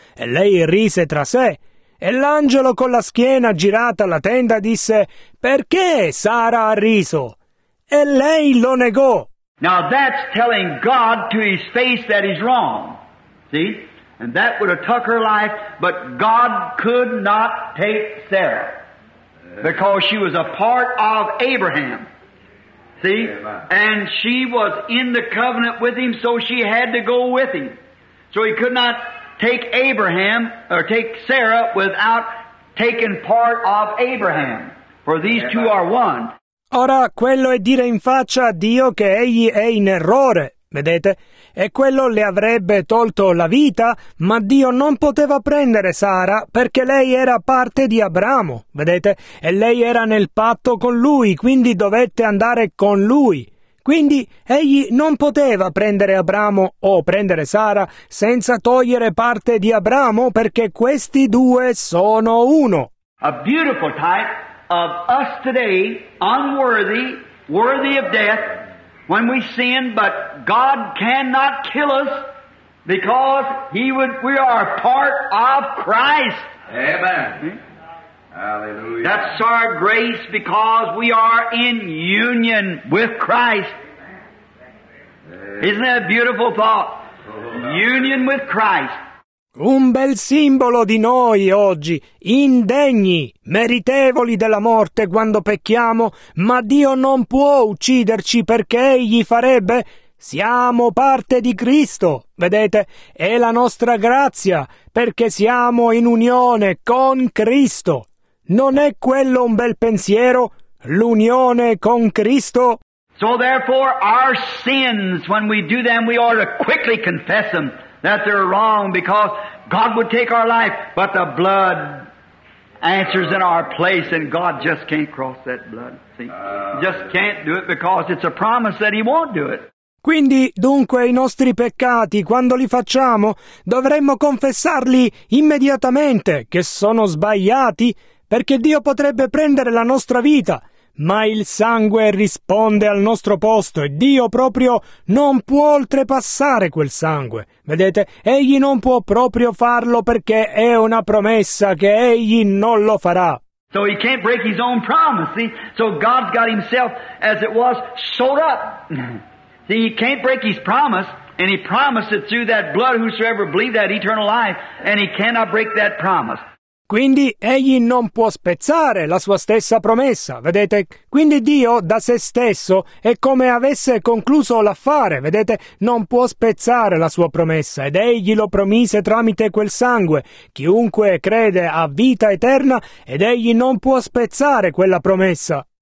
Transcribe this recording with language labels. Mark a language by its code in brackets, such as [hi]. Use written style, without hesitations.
[it] E lei rise tra sé. E l'angelo, con la schiena girata alla tenda, disse, perché Sara ha riso? E lei lo negò. [en] Now that's telling God to his face that he's wrong. See? And that would have took her life, but God could not take Sarah, because she was a part of Abraham, see? And she was in the covenant with him, so she had to go with him. So he could not take Abraham, or take Sarah, without taking part of Abraham, for these two are one. [it] Ora, quello è dire in faccia a Dio che egli è in errore. Vedete? E quello le avrebbe tolto la vita, ma Dio non poteva prendere Sara perché lei era parte di Abramo, vedete? E lei era nel patto con lui, quindi dovette andare con lui. Quindi egli non poteva prendere Abramo o prendere Sara senza togliere parte di Abramo, perché questi due sono uno. [en] A beautiful type of us today, unworthy, worthy of death. When we sin, but God cannot kill us, because we are part of Christ. Amen. Hallelujah. That's our grace, because we are in union with Christ. Isn't that a beautiful thought? Union with Christ. [it] Un bel simbolo di noi oggi, indegni, meritevoli della morte quando pecchiamo, ma Dio non può ucciderci, perché egli farebbe? Siamo parte di Cristo, vedete? È la nostra grazia, perché siamo in unione con Cristo. Non è quello un bel pensiero, l'unione con Cristo? [en] So therefore our sins, when we do them, we ought to quickly confess them. That they're wrong, because God would take our life, but the blood answers in our place, and God just can't cross that blood. See, just can't do it, because it's a promise that He won't do it. [it] Quindi, dunque, i nostri peccati, quando li facciamo, dovremmo confessarli immediatamente, che sono sbagliati, perché Dio potrebbe prendere la nostra vita, ma il sangue risponde al nostro posto e Dio proprio non può oltrepassare quel sangue. Vedete, egli non può proprio farlo perché è una promessa che egli non lo farà. [en] So he can't break his own promise, see? So God's got himself, as it was, sewed up. See, he can't break his promise, and he promised it through that blood, whosoever believed that eternal life, and he cannot break that promise. [it] Quindi egli non può spezzare la sua stessa promessa, vedete? Quindi Dio da se stesso è come avesse concluso l'affare, vedete? Non può spezzare la sua promessa ed egli lo promise tramite quel sangue. Chiunque crede ha vita eterna ed egli non può spezzare quella promessa.